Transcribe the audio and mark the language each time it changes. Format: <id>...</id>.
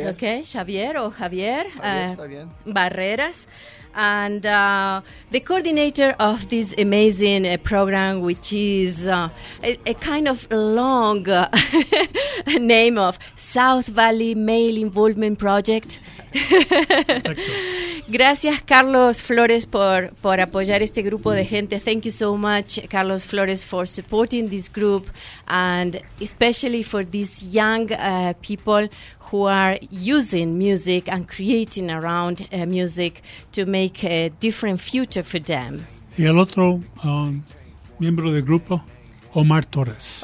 <en>It okay, Xavier or Javier, Barreras. And the coordinator of this amazing program, which is a kind of long name of South Valley Male Involvement Project.</en> <es>Gracias, Carlos Flores, por apoyar este grupo de gente.</es> <en>Thank you so much, Carlos Flores, for supporting this group, and especially for these young people who are using music and creating around music to make a different future for them.</en> <es>Y el otro miembro del grupo, Omar Torres.</es>